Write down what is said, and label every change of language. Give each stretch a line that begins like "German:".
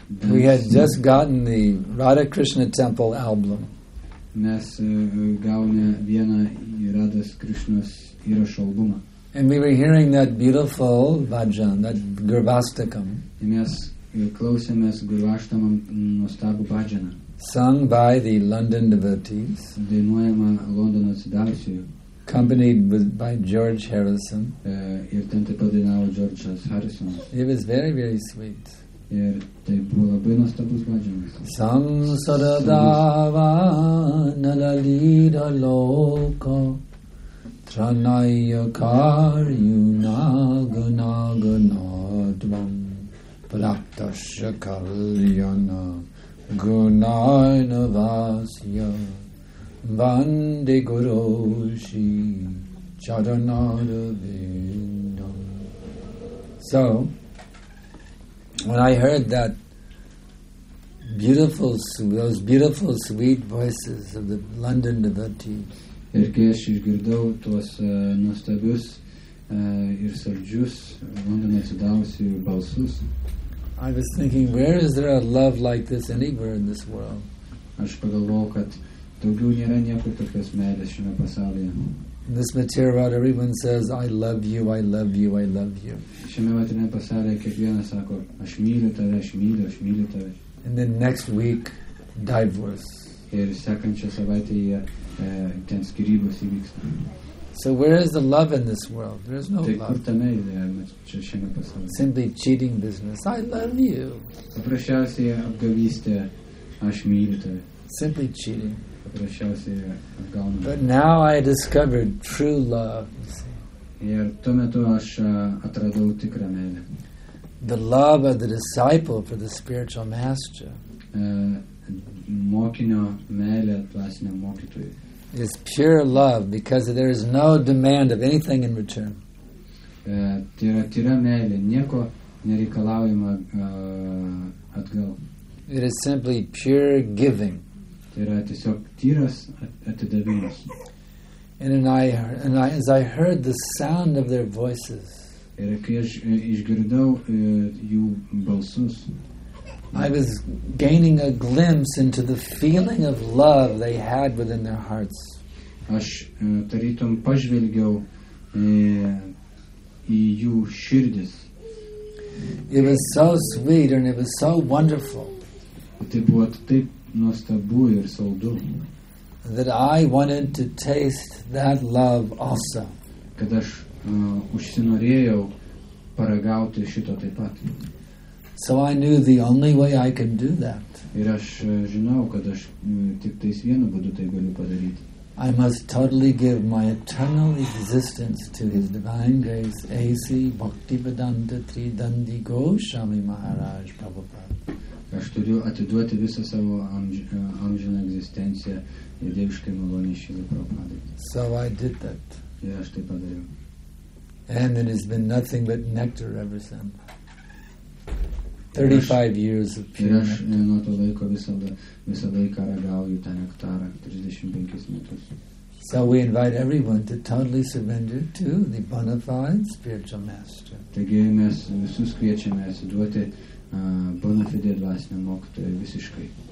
English: We had just gotten the Radha Krishna Temple album.
Lithuanian: Mes gavome vieną Radhas Krishnas įrašo albumą.
English: And we were hearing that beautiful bhajan, that gurvastakam.
Lithuanian: Mes klausėmės gurvastamam nuostabų bhajaną.
English: Sung by the London devotees.
Lithuanian: Dainuojama Londono atsidavusiųjų.
English: Accompanied by George Harrison.
Lithuanian: Ir ten taip pat dainavo Georgeas Harrisonas.
English: It was very, very sweet.
Lithuanian: Ir tai buvo labai nuostabus bhajanas.
Sanskrit: Sang saradava nalalida loko. Tranaya karyu naga naga nadvam praktasya kalyana gunayana vasya vande guroshi charanada vindam.
English: So, when I heard that beautiful, those beautiful sweet voices of the London devotees,
Lithuanian: ir kai aš išgirdau tuos nuostabius ir saldžius Londono atsidavusiųjų balsus,
English: I was thinking, where is there a love like this anywhere in this world?
Lithuanian: Aš pagalvojau, kad daugiau nėra niekur tokios meilės šiame pasaulyje.
English: In this material, everyone says, I love you, I love you, I love you.
Lithuanian: Šiame materialiame pasaulyje kiekvienas sako, aš myliu tave, aš myliu, aš myliu tave.
English: And then next week, divorce.
Lithuanian: Ir sekančią savaitę jie ten skirybos įvyksta.
English: So where is the love in this world? There is no
Lithuanian: tai
English: love.
Lithuanian: Tame, čia šiame pasaulyje.
English: Simply cheating business. I love you.
Lithuanian: Paprasčiausiai apgavystė, aš myliu tave.
English: Simply cheating.
Lithuanian: Paprasčiausiai apgaunama.
English: But now I discovered true love.
Lithuanian: Ir tuo metu aš atradau tikrą meilę.
English: The love of the disciple for the spiritual master.
Lithuanian: Mokinio meilė dvasiniam mokytojui.
English: It's pure love because there is no demand of anything in return.
Lithuanian: Tai yra tyra meilė, nieko nereikalaujama atgal.
English: It is simply pure giving.
Lithuanian: Tai yra tiesiog tyras atidavimas.
English: And as I heard the sound of their voices,
Lithuanian: ir kai aš išgirdau jų balsus,
English: I was gaining a glimpse into the feeling of love they had within their hearts.
Lithuanian: Aš tarytum pažvelgiau į jų širdis.
English: It was so sweet and it was so wonderful.
Lithuanian: Tai buvo taip nuostabu ir saldu.
English: That I wanted to taste that love also.
Lithuanian: Kad aš užsinorėjau paragauti šito taip pat.
English: So I knew the only way I could do that.
Lithuanian: Ir aš žinau, kad aš tik tais vienu būdu tai galiu padaryti.
English: I must totally give my eternal existence to His Divine Grace, A.C. Bhaktivedanta Tridandi Goswami Maharaj Prabhupada.
Lithuanian: Aš turiu atiduoti visą savo amžiną egzistenciją ir dieviškai malonį Šrilą Prabhupadai.
English: So I did that.
Lithuanian: Ir aš tai padariau.
English: And it has been nothing but nectar ever since. 35 years of pure.
Lithuanian: Ir aš nuo to laiko visą laiką ragauju tą nektarą 35 metus.
English: So we invite everyone to totally surrender to the bona fide spiritual master.
Lithuanian: Taigi mes visus kviečiame atsiduoti bona fide dvasiniam mokytojui visiškai.